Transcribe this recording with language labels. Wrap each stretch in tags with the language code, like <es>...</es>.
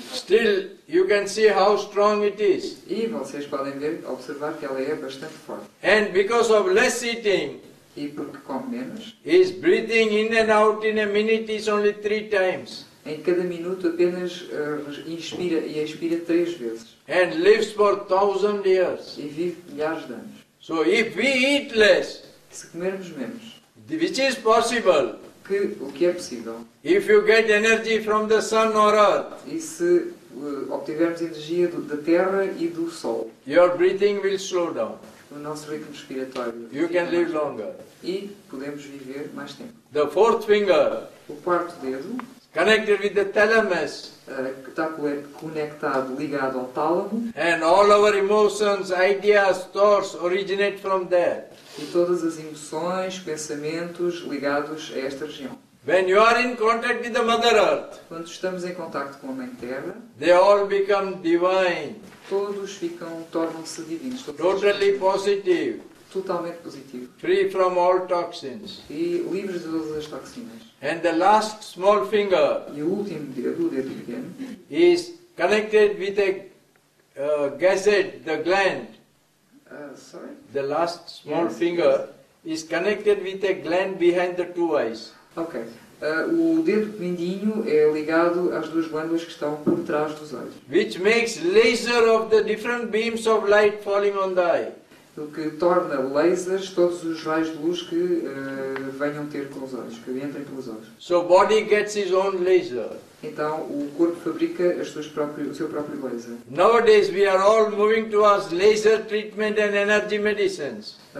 <en>Still, you can see how strong it is.</en> <pt>E vocês podem ver, observar que ela é bastante forte.</pt> <en>And because of less eating.</en> <pt>E porque come menos.</pt> <en>Is breathing in and out in a minute is only 3 times.</en> <pt>Em cada minuto apenas inspira e expira 3 vezes.</pt> <en>And lives for 1000 years.</en> <pt>E vive milhares de anos.</pt> <en>So if we eat less.</en> <pt>Se comermos menos.</pt> <en>Which is possible.</en> <pt>O que é possível.</pt> <en>If you get energy from the sun or earth.</en> <pt>E se obtivermos energia da terra e do sol.</pt> <en>Your breathing will slow down.</en> <pt>O nosso ritmo respiratório.</pt> <en>You can live longer.</en> <pt>E podemos viver mais tempo.</pt> <en>The fourth finger.</en> <pt>O quarto dedo.</pt> <en>Connected with the thalamus.</en> <pt>Está conectado, ligado ao tálamo.</pt> <en>And all our emotions, ideas, thoughts originate from there.</en> <pt>E todas as emoções, pensamentos ligados a esta região.</pt> <en>When you are in contact with the Mother Earth.</en> <pt>Quando estamos em contacto com a Mãe Terra.</pt> <en>They all become divine.</en> <pt>Todos ficam, tornam-se divinos.</pt> <en>Totally positive.</en> <pt>Totalmente positivo.</pt> <en>Free from all toxins.</en> <pt>E livres de todas as toxinas.</pt> <en>And the last small finger.</en> <pt>E o último dedo, o dedo pequeno.</pt> <en>Is connected with a gasset, the gland. Sorry? The last small finger is connected with a gland behind the two eyes. Ok.</en> <pt>O dedo mindinho é ligado às duas glândulas que estão por trás dos olhos.</pt> <en>Which makes laser of the different beams of light falling on the eye.</en> <pt>O que torna lasers todos os raios de luz que venham ter com os olhos, que entrem pelos olhos.</pt> <en>So body gets its own laser.</en> <pt>Então o corpo fabrica o seu próprio laser.</pt> <en>Nowadays we are all moving towards laser treatment and energy medicines.</en>